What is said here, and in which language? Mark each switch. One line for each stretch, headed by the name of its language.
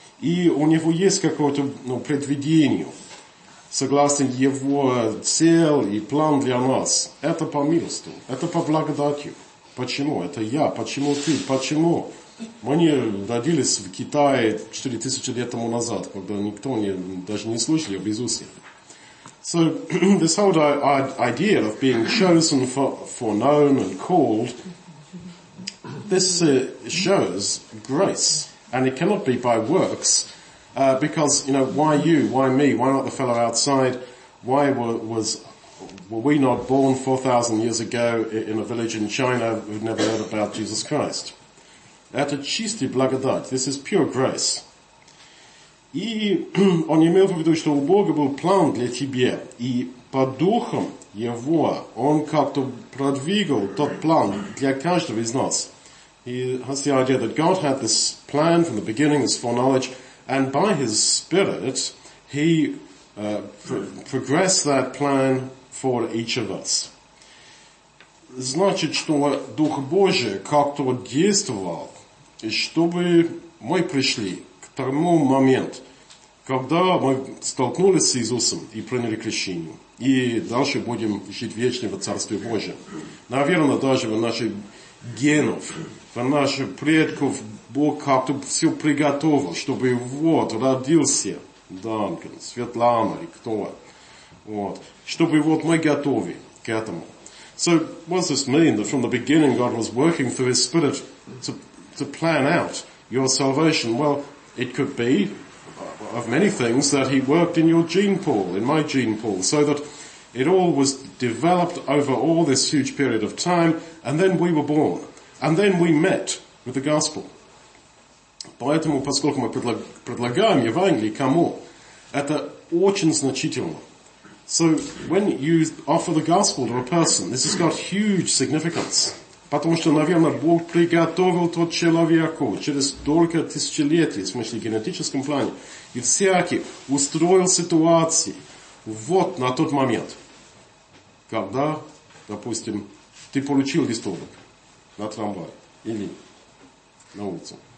Russian: И у него есть какое-то предвидение. Согласно его цель и план для нас, это по милости, это по благодати. Почему? Это я, почему ты, почему? Мы не родились в Китае 4000 лет тому назад, когда никто не, даже не слышал об Иисусе.
English: So, this whole idea of being chosen, foreknown and called, this shows grace. And it cannot be by works. Because, you know, why you, why me, why not the fellow outside, why were we not born 4,000 years ago in a village in China who'd never heard about Jesus Christ?
Russian: Это чистый благодать,
English: this is pure grace.
Russian: И он имел в виду, что у Бога был план для тебя, и по духам его он как-то продвигал тот план для каждого из нас.
English: He has the idea that God had this plan from the beginning, this foreknowledge, and by his Spirit, he progressed that plan for each of us.
Russian: Значит, что Дух Божий как-то действовал, чтобы мы пришли к тому моменту, когда мы столкнулись с Иисусом и приняли крещение, и дальше будем жить вечно в Царстве Божьем. Наверное, даже в наших генах, в наших предков, Бог как-то все приготовил, чтобы вот родился Данкан, Светлана и кто. Вот. Чтобы вот мы готовы к этому.
English: So, what does this mean? That from the beginning God was working through His Spirit to plan out your salvation? Well, it could be of many things that He worked in your gene pool, in my gene pool, so that it all was developed over all this huge period of time, and then we were born. And then we met with the gospel.
Russian: Поэтому, поскольку мы предлагаем Евангелие кому, это очень значительно.
English: So, when you offer the gospel to a person, this has got huge significance.
Russian: Потому что, наверное, Бог приготовил тот человеку через только тысячелетия, в смысле генетическом плане, и всякий устроил ситуации вот на тот момент, когда, допустим, ты получил листовок на трамвай или на улицу.